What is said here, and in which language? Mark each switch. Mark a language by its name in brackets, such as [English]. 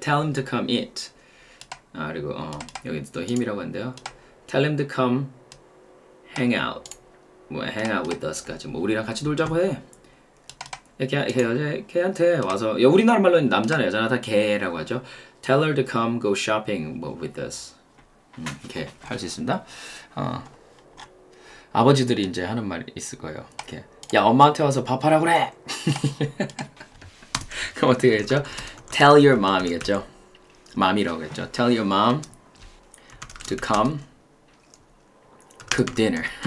[English] Tell him to come eat. [Korean] 아, 그리고 여기도 또 힘이라고 하는데요. [English] Tell him to come hang out. 뭐 hang out with us까지. [Korean] 뭐 우리랑 같이 놀자고 해. 걔한테 와서 야, 우리나라 말로는 남자나 여자나 다 걔라고 하죠. [English] Tell her to come go shopping with us. [Korean] 이렇게 할수 있습니다. 아버지들이 이제 하는 말 있을 거예요. 이렇게 야 엄마한테 와서 밥 하라 그래. 그럼 어떻게 하겠죠? [English] Tell your mom이겠죠. [Korean] mom이라고 했죠. [English] Tell your mom to come cook dinner.